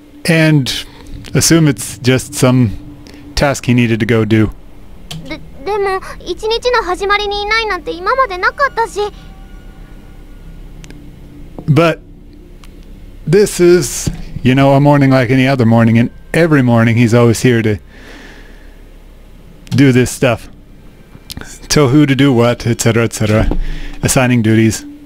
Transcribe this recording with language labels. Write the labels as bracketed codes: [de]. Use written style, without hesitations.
[en] And assume it's just some task he needed to go do. [ja] でも、一日の始まりにいないなんて今までなかったし。 [en] But this is, you know, a morning like any other morning, and every morning he's always here to do this stuff. Tell who to do what, etc., etc. Assigning duties.